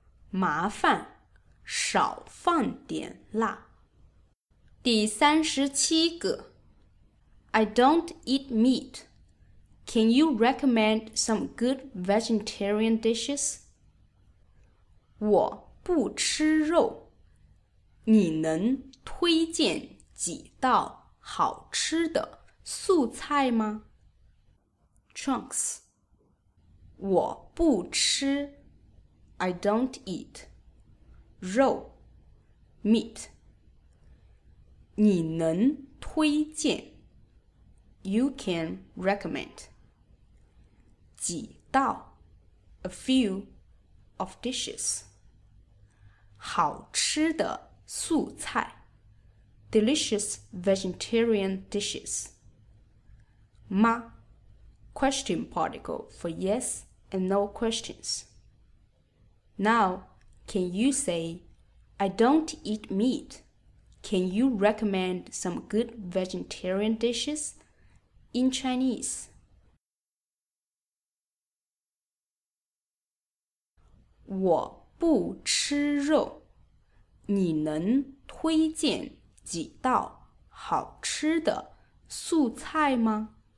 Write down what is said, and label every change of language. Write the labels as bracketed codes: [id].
[zh] 麻烦少放点辣。第37个 [en] I don't eat meat. Can you recommend some good vegetarian dishes? [zh] 我不吃肉，你能推荐几道好吃的素菜吗？ [en] Trunks， [zh] 我不吃 [en] I don't eat [zh] 肉 [en] Meat， [zh] 你能推荐 [en] You can recommend [zh] 几道 [en] A few of dishes [zh] 好吃的素菜 [en] Delicious vegetarian dishes [zh] 吗？ [en] Question particle for yes and no questions. Now, can you say, I don't eat meat. Can you recommend some good vegetarian dishes in Chinese? [zh] 我不吃肉，你能推荐几道好吃的素菜吗？